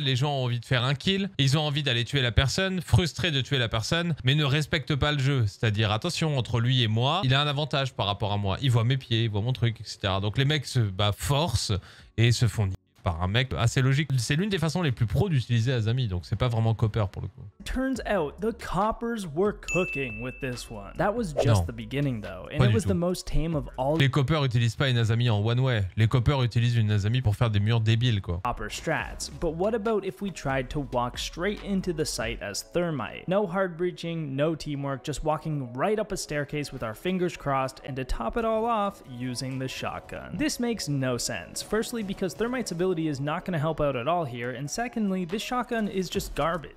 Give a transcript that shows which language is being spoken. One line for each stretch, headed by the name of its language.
French: Les gens ont envie de faire un kill. Ils ont envie d'aller tuer la personne. Frustrés de tuer la personne. Mais ne respectent pas le jeu. C'est-à-dire attention entre lui et moi. Il a un avantage par rapport à moi. Il voit mes pieds, il voit mon truc, etc. Donc les mecs se forcent et se font nier. par un mec assez logique. C'est l'une des façons les plus pro d'utiliser Azami, donc c'est pas vraiment copper pour le coup.
English: Turns out the coppers were cooking with this one. That was just the beginning though, and it was the most tame of all.
French: Les coppers utilisent pas une Azami en one way. Les coppers utilisent une Azami pour faire des murs débiles quoi.
English: Copper strats. But what about if we tried to walk straight into the site as thermite? No hard breaching, no teamwork, just walking right up a staircase with our fingers crossed, and to top it all off, using the shotgun. This makes no sense. Firstly, because thermite's ability is not going to help out at all here, and secondly, this shotgun is just garbage.